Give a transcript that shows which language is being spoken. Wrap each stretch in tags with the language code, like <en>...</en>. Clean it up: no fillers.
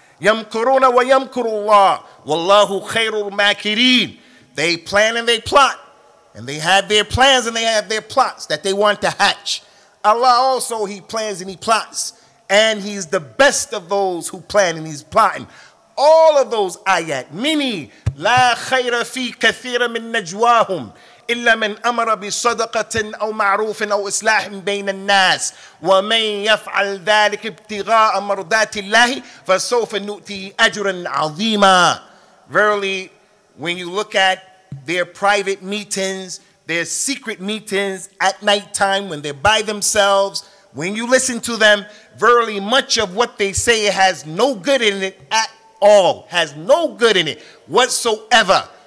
<ar>Yamkuruna wa yamkurullah. Wallahu khairul makirin.</ar> <en>They plan and they plot. And they have their plans and they have their plots that they want to hatch. Allah also, he plans and he plots. And he's the best of those who plan and he's plotting. All of those ayat, many.</en> <ar>لا خير في كثير من نجواهم إلا من أمر بصدقة أو معروف أو إصلاح بين الناس ومن يفعل ذلك ابتغاء مرضات الله فسوف نؤتي أجرا عظيما.</ar> <en>Verily, when you look at their private meetings, their secret meetings at nighttime when they're by themselves, when you listen to them, verily much of what they say has no good in it at all, has no good in it whatsoever.</en>